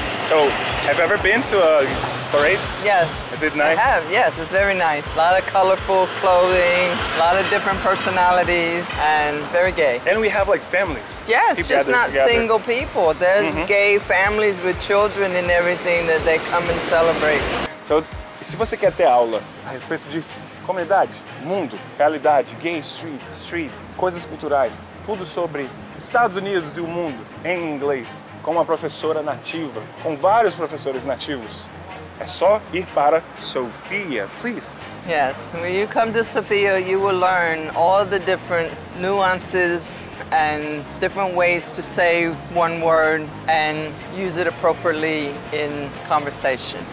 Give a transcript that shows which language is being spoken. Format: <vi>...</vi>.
<en>So, have you ever been to a... parade? Yes. Is it nice? I have, yes, it's very nice. A lot of colorful clothing, a lot of different personalities, and very gay. And we have like families. Yes, just not together. Single people. There's mm-hmm. gay families with children and everything that they come and celebrate.</en> <pt>So, se você quer ter aula a respeito disso, comunidade, mundo, realidade, gay, street, coisas culturais, tudo sobre Estados Unidos e o mundo em inglês, com uma professora nativa, com vários professores nativos. É só ir para Sofia, please.</pt> <en>Yes, when you come to Sofia, you will learn all the different nuances and different ways to say one word and use it appropriately in conversation.</en>